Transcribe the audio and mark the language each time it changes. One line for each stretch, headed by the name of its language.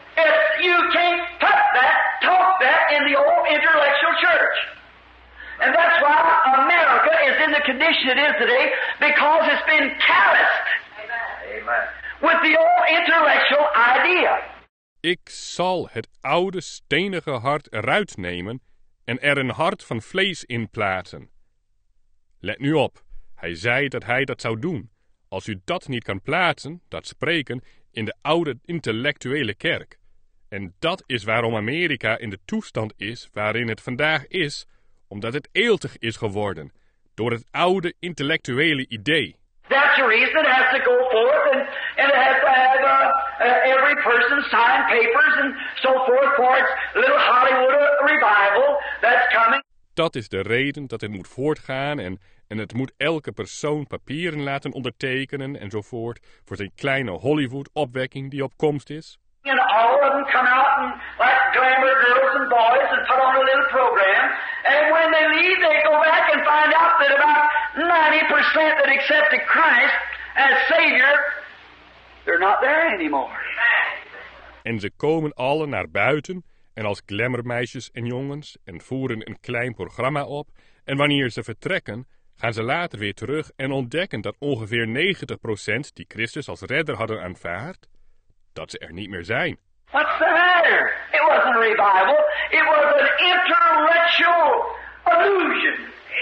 English: If you can't put that, talk that in the old intellectual church. And that's why America is in the condition it is today, because it's been calloused. Amen. With the old intellectual idea.
Dutch: Ik zal het oude stenige hart eruit nemen en er een hart van vlees in plaatsen. Let nu op, hij zei dat hij dat zou doen. Als u dat niet kan plaatsen, dat spreken, in de oude intellectuele kerk. En dat is waarom Amerika in de toestand is waarin het vandaag is, omdat het eeltig is geworden, door het oude intellectuele idee.
English: That's the reason it has to go forth and it has to have every person sign papers and so forth for its little Hollywood revival that's coming.
Dutch: Dat is de reden dat het moet voortgaan en het moet elke persoon papieren laten ondertekenen enzovoort voor zijn kleine Hollywood opwekking die op komst is.
English: And all of them come out and like glamour girls and boys and put on a little program. And when they leave, they go back and find out that about 90% that accepted Christ as Savior, they're not there anymore.
Dutch: En ze komen alle naar buiten en als glamourmeisjes en jongens en voeren een klein programma op. En wanneer ze vertrekken, gaan ze later weer terug en ontdekken dat ongeveer 90% die Christus als redder hadden aanvaard, dat ze er niet meer zijn.
English: What's the matter? It wasn't a revival. It was an intellectual illusion.